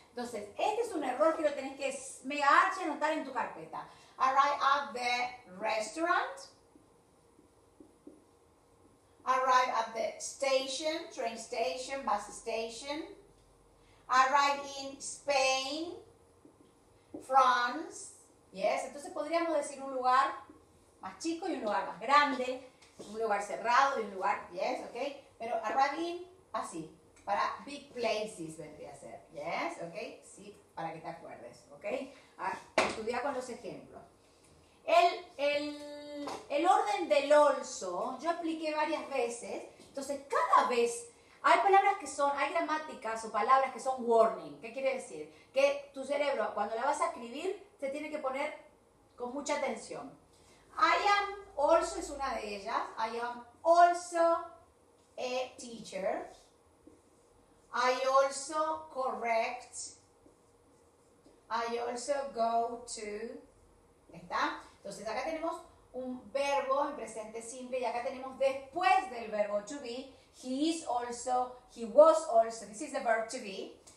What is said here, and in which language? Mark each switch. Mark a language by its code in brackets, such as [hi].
[es] Entonces, este es un error que lo tenés que mega archi anotar en tu carpeta. [en] Arrive at the restaurant. Arrive at the station, train station, bus station. arrived in Spain, France. [es] Yes, entonces podríamos decir un lugar más chico y un lugar más grande, un lugar cerrado y un lugar, yes, okay. Pero arrived in, así, para [en] big places [es] vendría a ser, yes, okay, sí, para que te acuerdes, okay. Estudia con los ejemplos. El orden del also, yo expliqué varias veces, entonces cada vez hay palabras que son, hay gramáticas o palabras que son warning. ¿Qué quiere decir? Que tu cerebro, cuando la vas a escribir, se tiene que poner con mucha atención. [en] I am also [es] es una de ellas. [en] I am also a teacher. I also correct. I also go to. ¿Está? [es] Entonces acá tenemos un verbo en presente simple y acá tenemos después del verbo to be. [en] He is also, he was also, this is the verb to be.